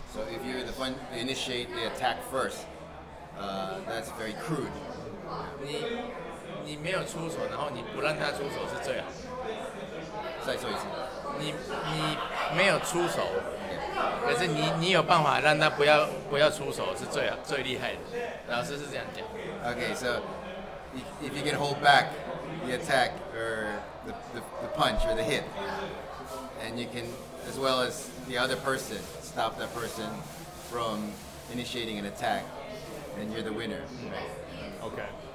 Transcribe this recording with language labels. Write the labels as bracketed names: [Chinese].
[English] So if you're the one to initiate the attack first, that's very crude. [Chinese] 你没有出手, 然后你不让他出手是最好。再说一次, 你没有出手, 可是你有办法让他不要出手是最厉害的, 老师是这样讲。 [English] Okay, so if you can hold back the attack, or the punch or the hit, and you can, as well as the other person, stop that person from initiating an attack, then you're the winner. Right? Okay.